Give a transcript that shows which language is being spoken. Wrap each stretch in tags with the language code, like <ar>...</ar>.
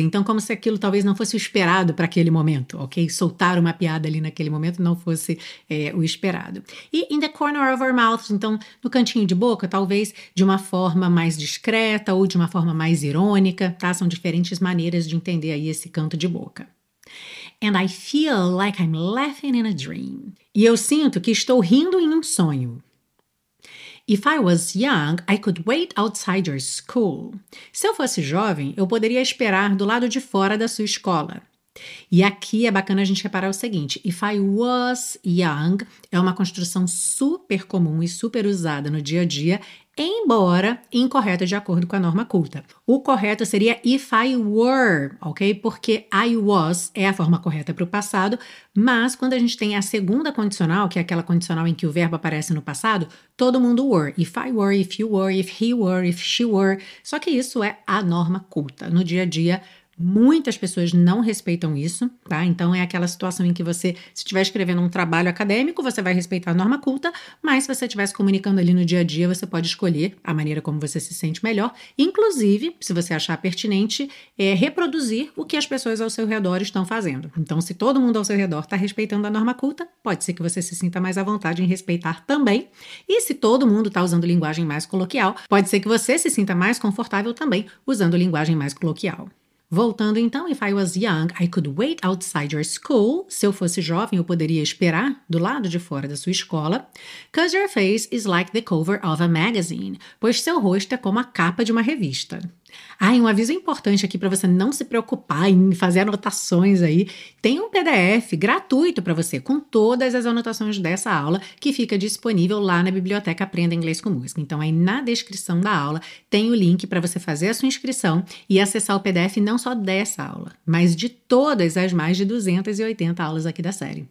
<pt>Então, como se aquilo talvez não fosse o esperado para aquele momento, ok? Soltar uma piada ali naquele momento não fosse o esperado. E</pt> <en>in the corner of our mouth,</en> <pt>então, no cantinho de boca, talvez de uma forma mais discreta ou de uma forma mais irônica, tá? São diferentes maneiras de entender aí esse canto de boca.</pt> <en>And I feel like I'm laughing in a dream.</en> <pt>E eu sinto que estou rindo em um sonho.</pt> <en>If I was young, I could wait outside your school.</en> <pt>Se eu fosse jovem, eu poderia esperar do lado de fora da sua escola. E aqui é bacana a gente reparar o seguinte,</pt> <en>if I was young</en> <pt>é uma construção super comum e super usada no dia a dia, embora incorreta de acordo com a norma culta. O correto seria</pt> <en>if I were,</en> <pt>ok? Porque I was é a forma correta para o passado, mas quando a gente tem a segunda condicional, que é aquela condicional em que o verbo aparece no passado, todo mundo were.</pt> <en>If I were, if you were, if he were, if she were.</en> <pt>Só que isso é a norma culta no dia a dia. Muitas pessoas não respeitam isso, tá? Então, é aquela situação em que você, se estiver escrevendo um trabalho acadêmico, você vai respeitar a norma culta, mas se você estiver se comunicando ali no dia a dia, você pode escolher a maneira como você se sente melhor, inclusive, se você achar pertinente, reproduzir o que as pessoas ao seu redor estão fazendo. Então, se todo mundo ao seu redor está respeitando a norma culta, pode ser que você se sinta mais à vontade em respeitar também. E se todo mundo está usando linguagem mais coloquial, pode ser que você se sinta mais confortável também usando linguagem mais coloquial. Voltando então,</pt> <en>if I was young, I could wait outside your school.</en> <pt>Se eu fosse jovem, eu poderia esperar do lado de fora da sua escola.</pt> <en>Because your face is like the cover of a magazine.</en> <pt>Pois seu rosto é como a capa de uma revista. Ah, e um aviso importante aqui para você não se preocupar em fazer anotações aí. Tem um PDF gratuito para você com todas as anotações dessa aula que fica disponível lá na biblioteca Aprenda Inglês com Música. Então, aí na descrição da aula tem o link para você fazer a sua inscrição e acessar o PDF não só dessa aula, mas de todas as mais de 280 aulas aqui da série.</pt>